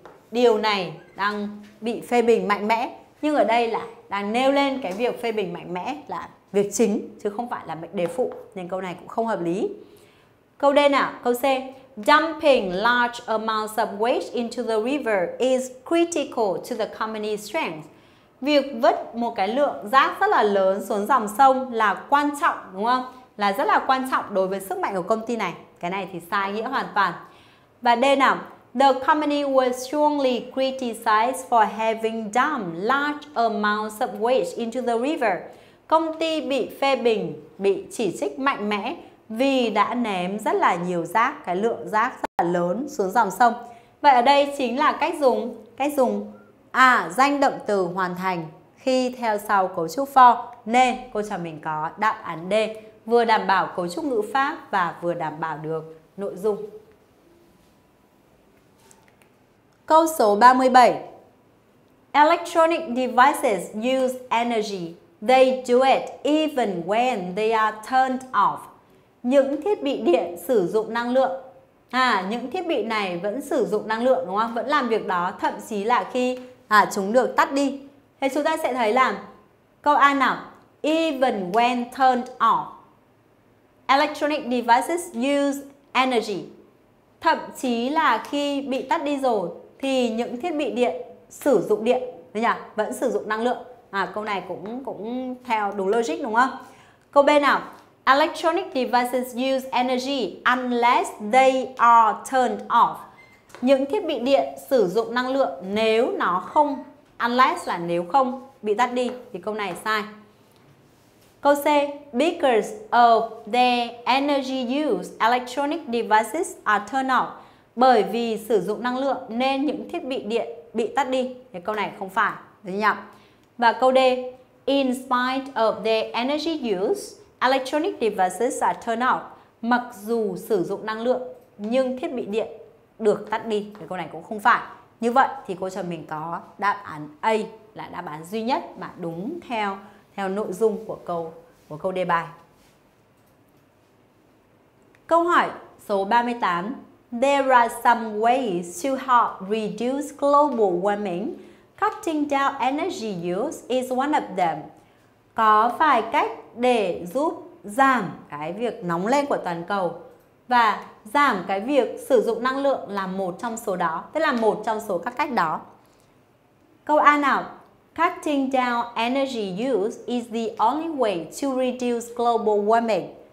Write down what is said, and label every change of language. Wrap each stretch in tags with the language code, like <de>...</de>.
<vi>Điều này đang bị phê bình mạnh mẽ. Nhưng ở đây là đang nêu lên cái việc phê bình mạnh mẽ là việc chính chứ không phải là mệnh đề phụ, nên câu này cũng không hợp lý. Câu D nào, câu C.</vi> <en>Dumping large amounts of waste into the river is critical to the company's strength.</en> <vi>Việc vứt một cái lượng rác rất là lớn xuống dòng sông là quan trọng, đúng không? Là rất là quan trọng đối với sức mạnh của công ty này. Cái này thì sai nghĩa hoàn toàn. Và D nào,</vi> <en>the company was strongly criticized for having dumped large amounts of waste into the river.</en> <vi>Công ty bị phê bình, bị chỉ trích mạnh mẽ vì đã ném rất là nhiều rác, cái lượng rác rất là lớn xuống dòng sông. Vậy ở đây chính là cách dùng à, danh động từ hoàn thành khi theo sau cấu trúc for, nên cô cho mình có đáp án D, vừa đảm bảo cấu trúc ngữ pháp và vừa đảm bảo được nội dung. Câu số 37.</vi> <en>Electronic devices use energy. They do it even when they are turned off.</en> <vi>Những thiết bị điện sử dụng năng lượng. Những thiết bị này vẫn sử dụng năng lượng, đúng không? Vẫn làm việc đó thậm chí là khi chúng được tắt đi. Thế chúng ta sẽ thấy là câu A nào.</vi> <en>Even when turned off. Electronic devices use energy.</en> <vi>Thậm chí là khi bị tắt đi rồi thì những thiết bị điện sử dụng điện, đúng không? Vẫn sử dụng năng lượng. Câu này cũng theo đúng logic, đúng không? Câu B nào?</vi> <en>Electronic devices use energy unless they are turned off.</en> <vi>Những thiết bị điện sử dụng năng lượng nếu nó không, unless là nếu không bị tắt đi, thì câu này sai. Câu C.</vi> <en>Because of their energy use, electronic devices are turned off.</en> <vi>Bởi vì sử dụng năng lượng nên những thiết bị điện bị tắt đi, thì câu này không phải, đúng không? Và câu D.</vi> <en>In spite of their energy use, electronic devices are turned off.</en> <vi>Mặc dù sử dụng năng lượng nhưng thiết bị điện được tắt đi, thì câu này cũng không phải. Như vậy thì cô cho mình có đáp án A là đáp án duy nhất mà đúng theo nội dung của câu đề bài. Câu hỏi số 38.</vi> <en>There are some ways to help reduce global warming. Cutting down energy use is one of them.</en> <vi>Có vài cách để giúp giảm cái việc nóng lên của toàn cầu, và giảm cái việc sử dụng năng lượng là một trong số đó, tức là một trong số các cách đó. Câu A nào?</vi> <en>Cutting down energy use is the only way to reduce global warming.</en>